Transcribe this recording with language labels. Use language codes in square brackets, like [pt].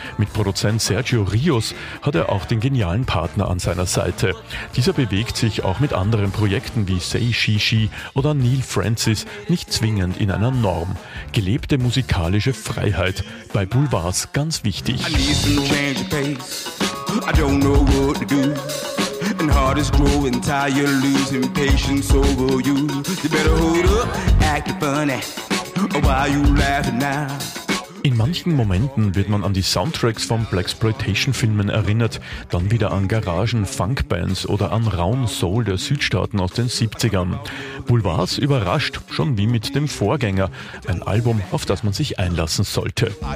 [de] Mit Produzent Sergio Rios hat er auch den genialen Partner an seiner Seite. Dieser bewegt sich auch mit anderen Projekten wie Say She She oder Neil Francis nicht zwingend in einer Norm. Gelebte musikalische Freiheit bei Boulevards ganz wichtig. [en] I need some change of pace. I don't know what to do. And heart is growing tired, losing patience over you. You better hold up, act funny. Why you laughing now? [de] In manchen Momenten wird man an die Soundtracks von Blaxploitation-Filmen erinnert, dann wieder an Garagen-Funk-Bands oder an rauen Soul der Südstaaten aus den 70ern. Boulevards überrascht, schon wie mit dem Vorgänger, ein Album, auf das man sich einlassen sollte.